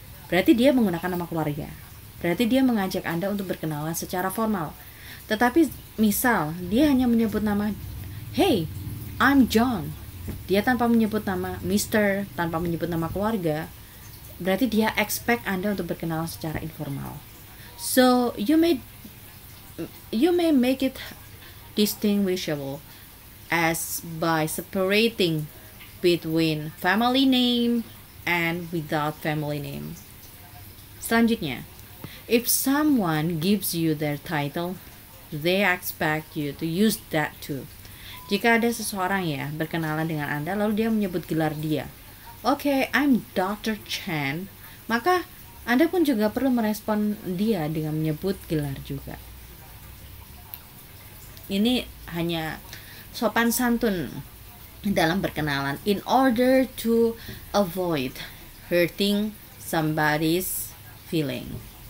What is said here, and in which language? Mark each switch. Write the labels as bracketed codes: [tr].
[id] Berarti dia menggunakan nama keluarga. Berarti dia mengajak Anda untuk berkenalan secara formal. Tetapi misal dia hanya menyebut nama, [en] hey, I'm John. [id] Dia tanpa menyebut nama Mr., tanpa menyebut nama keluarga, berarti dia expect Anda untuk berkenalan secara informal. [en] So, you may make it distinguishable as by separating between family name and without family name. Selanjutnya, if someone gives you their title, they expect you to use that too. [id] Jika ada seseorang ya berkenalan dengan Anda lalu dia menyebut gelar dia, [en] okay, I'm Dr. [id] Chen, maka Anda pun juga perlu merespon dia dengan menyebut gelar juga. Ini hanya sopan santun dalam berkenalan [en] in order to avoid hurting somebody's feeling.